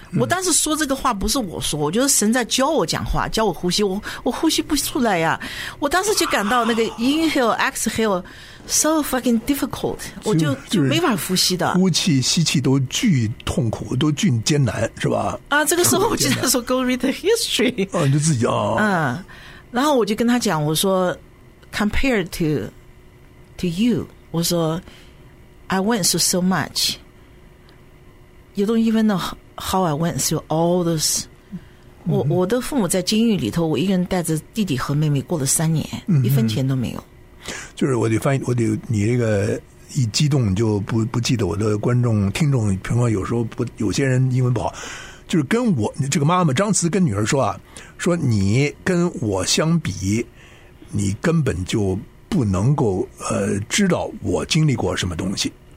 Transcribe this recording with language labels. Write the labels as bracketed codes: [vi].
[zh] 我当时说这个话不是我说，我觉得神在教我讲话，教我呼吸，我呼吸不出来呀，我当时就感到那个 [en] inhale exhale so fucking difficult， [zh] 我就没法呼吸的，呼气吸气都巨痛苦，都巨艰难，是吧？啊，这个时候我就在说 [en] Go read the history [zh] 啊，你就自己啊，嗯，然后我就跟他讲，我说 [en] compared to you, [zh] 我说 [en] I went through so much. You don't even know how I went through all those. [zh] 我的父母在监狱里头，我一个人带着弟弟和妹妹过了三年，一分钱都没有。就是我得翻译，我得你这个一激动就不记得我的观众听众，平常有时候不有些人英文不好，就是跟我这个妈妈张慈跟女儿说啊，说你跟我相比，你根本就不能够知道我经历过什么东西。